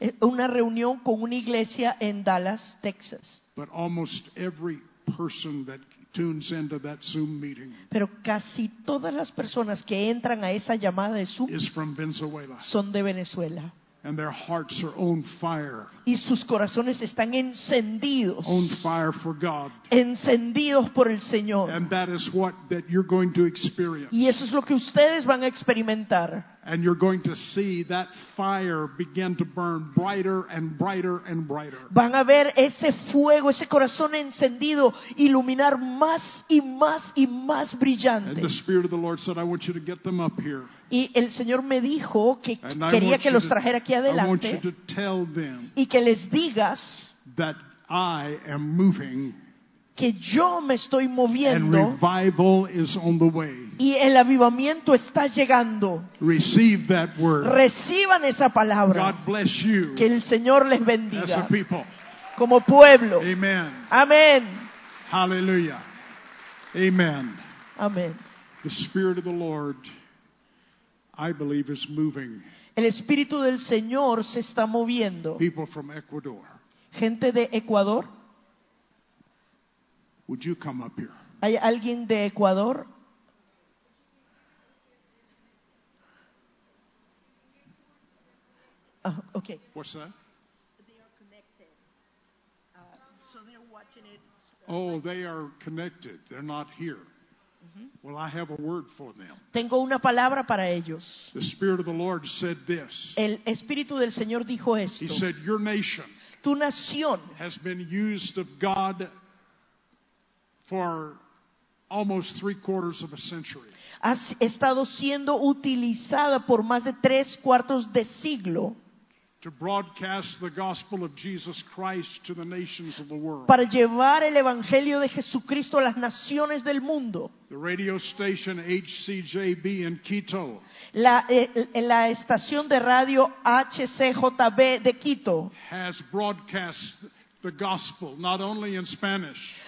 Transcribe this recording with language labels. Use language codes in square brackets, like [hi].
[es] Una reunión con una iglesia en Dallas, Texas. [en] But almost every person that tunes into that Zoom meeting. [es] Pero casi todas las personas que entran a esa llamada de Zoom [en] is from Venezuela. [es] Son de Venezuela. [en] And their hearts are on fire. [es] Y sus corazones están encendidos. [en] On fire for God. [es] Encendidos por el Señor. [en] And that is what that you're going to experience. [es] Y eso es lo que ustedes van a experimentar. [en] And you're going to see that fire begin to burn brighter and brighter and brighter. [es] Van a ver ese fuego, ese corazón encendido, iluminar más y más y más brillante. [en] And the Spirit of the Lord said, I want you to get them up here. [es] Y el Señor me dijo que quería que los trajera aquí adelante. [en] I want you to tell them [es] y que les digas [en] that I am moving. [es] Que yo me estoy moviendo. [en] And revival is on the way. [es] Y el avivamiento está llegando. [en] Receive that word. [es] Reciban esa palabra. [en] God bless you. [es] Que el Señor les bendiga. [en] As a people. [es] Como pueblo. [en] Amen. [es] Amen. [en] Hallelujah. Amen. [es] Amen. [en] The Spirit of the Lord, I believe, is moving. [es] El Espíritu del Señor se está moviendo. [en] People from Ecuador. [es] Gente de Ecuador. [en] Would you come up here? [es] ¿Hay alguien de Ecuador? [en] Okay. What's that? They are connected. So they're watching it. Oh, they are connected. They're not here. Mm-hmm. Well, I have a word for them. [es] Tengo una palabra para ellos. [en] The Spirit of the Lord said this. [es] El Espíritu del Señor dijo esto. [en] He said, your nation, [es] tu nación, [en] has been used of God for almost 3/4 of a century. [es] Has estado siendo utilizada por más de 3/4 de siglo. [en] To broadcast the gospel of Jesus Christ to the nations of the world. [es] Para llevar el evangelio de Jesucristo a las naciones del mundo. [en] The radio station HCJB in Quito. [es] La estación de radio HCJB de Quito. [en] Has broadcast the gospel, not only in Spanish,